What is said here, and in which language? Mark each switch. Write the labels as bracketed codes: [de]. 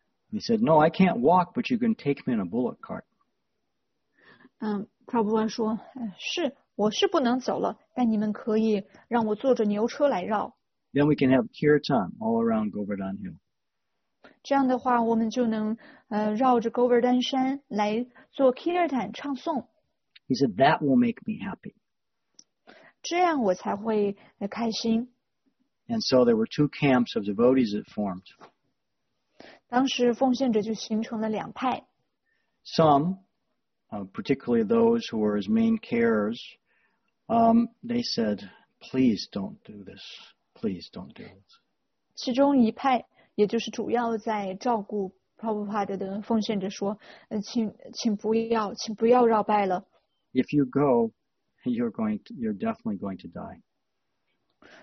[en] He said, no, I can't walk, but you can take me in a bullock cart. [zh] Prabhupada说，是，我是不能走了，但你们可以让我坐着牛车来绕。 [en] Then we can have kirtan all around Govardhan Hill. [zh] 这样的话，我们就能绕着戈尔丹山来做kirtan唱诵。 [en] He said, that will make me happy. [zh] 这样我才会开心。 [en] And so there were two camps of devotees that formed. [zh] 当时奉献者就形成了两派。 [en] Some, particularly those who were his main carers, they said, please don't do this. Please don't do this. [zh] 其中一派 也就是主要在照顾Prabhupada的奉献者说，请不要绕拜了。 [en] If you go, you're definitely going to die.